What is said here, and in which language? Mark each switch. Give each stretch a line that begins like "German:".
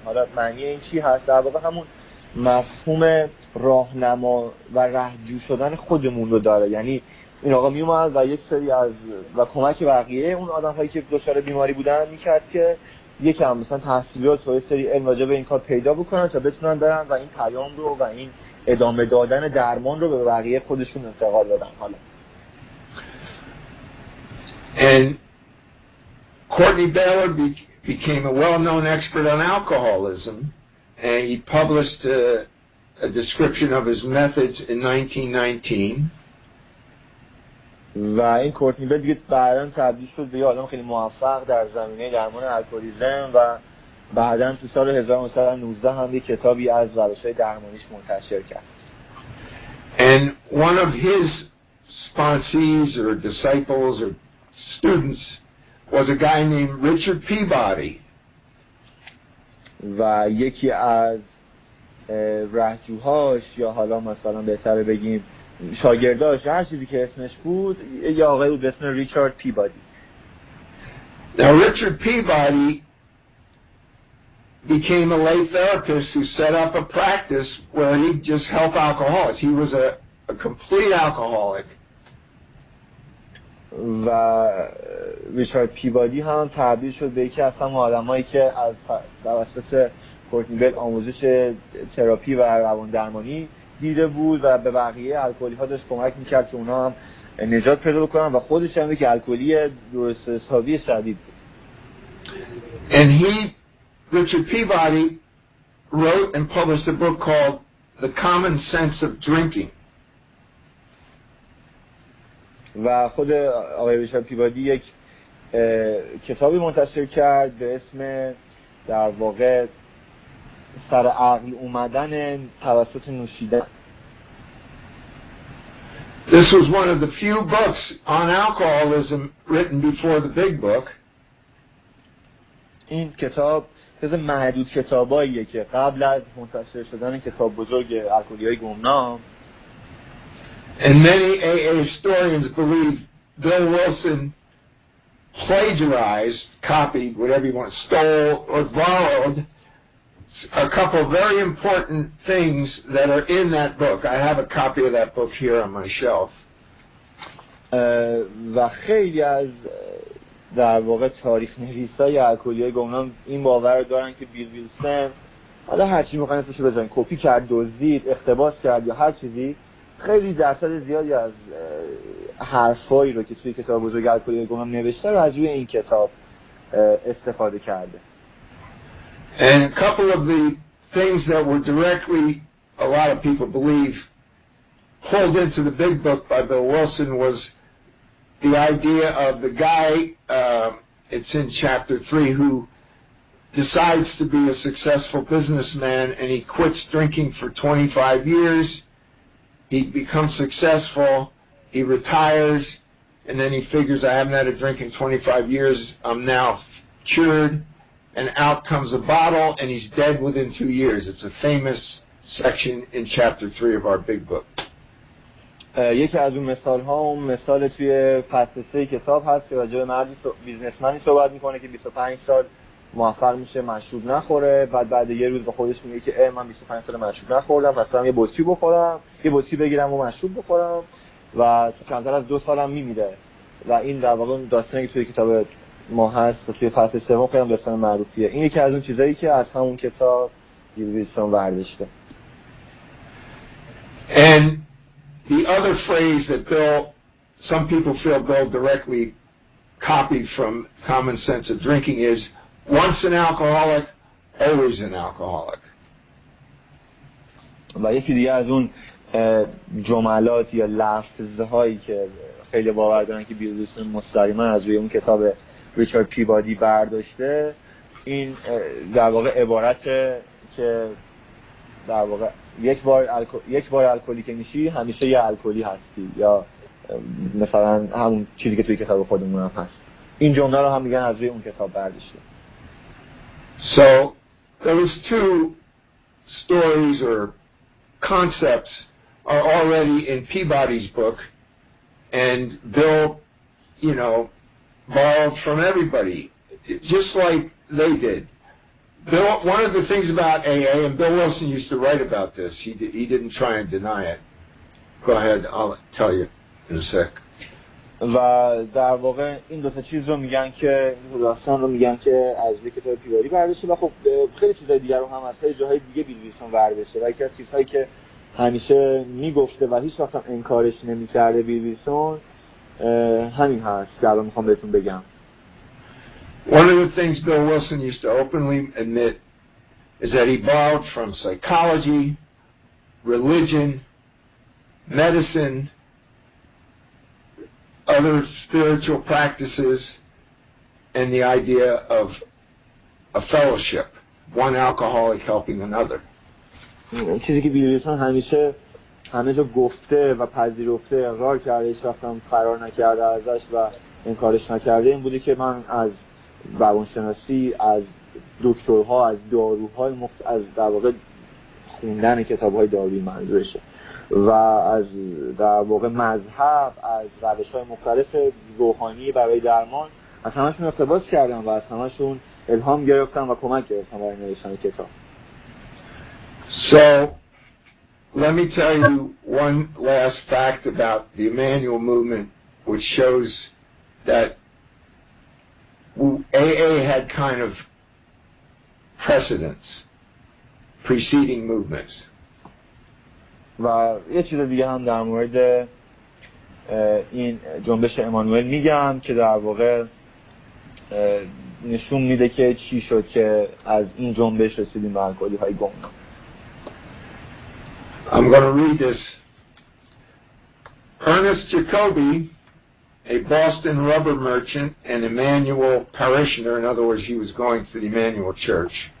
Persian: حالا معنی این چی هست؟ در واقع همون مفهوم راهنما و رهجو شدن خودمون رو داره، یعنی این آقا میومد و یک سری از و کمک بقیه اون آدم‌هایی که دچار بیماری بودن می‌کرد که یکم مثلا تحصیلات و یه سری علم راجع به این کار پیدا بکنن تا بتونن برن و این پیام رو و این ادامه دادن درمان رو به بقیه خودشون انتقال دادن. حالا
English: and Courtney Baylor became a well-known expert on alcoholism and he published a description of his methods in 1919.
Persian: و این کورتنی بیلر دیگه بعداً تبدیل شد به یه آدم خیلی موفق در زمینه درمان الکلیزم و بعداً تو سال 1919 هم یه کتابی از روش‌های درمانیش منتشر کرد.
English: And one of his sponsees or disciples or students was a guy named Richard Peabody.
Persian: و یکی از رهجوهاش یا حالا مثلا بهتر بگیم شاگرداش هر چیزی که اسمش بود یا آقای بود به اسم ریچارد پیبادی.
English: Now Richard Peabody became a lay therapist who set up a practice where he just helped alcoholics. He was a complete alcoholic.
Persian: و ریچارد پیبادی هم تبدیل شد به یکی از همه آدمایی که از توسط کورتنی بیل آموزش تراپی و روان درمانی دیده بود و به بقیه الکلی ها داشت کمک میکرد که اونا هم نجات پیدا بکنن و خودش هم که الکلی درست حسابی شدید بود.
English: And he, Richard Peabody, wrote and published a book called The Common Sense of Drinking.
Persian: و خود آقای ریچارد پیبادی یک کتابی منتشر کرد به اسم در واقع سر عقل اومدن توسط نوشیدن.
English: This was one of the few books on alcoholism written before the big book.
Persian: این کتاب از محدود کتاباییه که قبل از منتشر شدن کتاب بزرگ الکلی‌های گمنام.
English: And many AA historians believe Bill Wilson plagiarized, copied, whatever you want, stole or borrowed a couple very important things that are in that book. I have a copy of that book here on my shelf.
Persian: و خیلی از در واقع تاریخ نویسای الکلی‌های گمنام این باور دارن که بیل ویلسن حالا هر چی می‌خواد اسمش رو بزنه کپی کرد، دزدید، اختباس کرد یا هر چیزی. خیلی درصد زیادی از حرفایی رو که توی کتاب بزرگ الکلی‌های گمنام نوشته رو از روی این کتاب استفاده کرده.
English: And a couple of the things that were directly, a lot of people believe, pulled into the big book by Bill Wilson was the idea of the guy, it's in chapter 3, who decides to be a successful businessman and he quits drinking for 25 years, he becomes successful, he retires, and then he figures, I haven't had a drink in 25 years, I'm now cured. And out comes a bottle, and he's dead within 2 years. It's a famous section in chapter 3 of our big book.
Persian: یکی از اون مثال‌ها مثال توی فصل 3 کتاب هست که راجع به مردی بیزنسمنی صحبت می‌کنه که 25 سال موفق میشه، مشروب نخوره، بعد بعد یه روز به خودش میگه که من 25 سال مشروب نخوردم، مثلا یه بطری بخورم، یه بطری بگیرم و مشروب بخورم و کمتر از 2 سالم میمیره. و این در واقع داستانی که توی کتاب ما هست توی فصل سوم خیلی هم داستان معروفیه. این یکی از اون چیزایی که از همون کتاب بیلویسون ورداشته.
English: And the other phrase that Bill, some people feel Bill directly copied from Common Sense of Drinking is once an alcoholic, always an alcoholic.
Persian: و یکی دیگه از اون جملات یا لفظهایی که خیلی باور دارن که بیلویسون مستقیما از روی اون کتاب ریچارد پیبادی برداشته این در واقع عبارته که در واقع یک بار الکلی که میشی همیشه یه الکلی هستی، یا مثلا همون چیزی که توی کتاب خودمون هم هست. این جمله رو هم میگن از روی اون کتاب برداشته.
English: So there was two stories or concepts are already in Peabody's book and Bill, you know, borrowed from everybody, just like they did. Bill, one of the things about AA, and Bill Wilson used to write about this, he didn't try and deny it. Go ahead, I'll tell you in a sec.
Persian: و در واقع این دو تا چیز رو میگن که داستان رو میگن که از کتاب پیبادی برداشته و خب خیلی چیزای دیگر رو هم از جاهای دیگه بیلویسون برداشته و یکی از چیزهایی که همیشه میگفته و هیچ وقتم انکارش نمی کرده بیلیسون همین هست که الان میخوام بهتون بگم.
English: One of the things Bill Wilson used to openly admit is that he borrowed from psychology, religion, medicine, other spiritual practices, and the idea of a fellowship, one alcoholic helping another.
Persian: چیزی که بیلیسون همیشه همه جا گفته و پذیرفته اقرار کرده ایش وقتا فرار نکرده ازش و انکارش نکرده این بوده که من از روانشناسی از دکترها از داروهای از در واقع خوندن کتابهای داروی منظورشه و از در واقع مذهب از روشهای مختلف روحانی برای درمان از همهشون اقتباس کردم و از همهشون الهام گرفتم و کمک گرفتم برای نوشتن کتاب.
English: So, let me tell you one last fact about the Emmanuel Movement, which shows that AA had kind of precedence, preceding movements.
Persian: و یه چیز دیگه هم در مورد این جنبش امانوئل میگم که در واقع نشون میده که چی شد که از این جنبش رسیدیم به الکلی های گمنام.
English: I'm going to read this. Ernest Jacobi, a Boston rubber merchant and Emmanuel parishioner, in other words, he was going to the Emmanuel Church.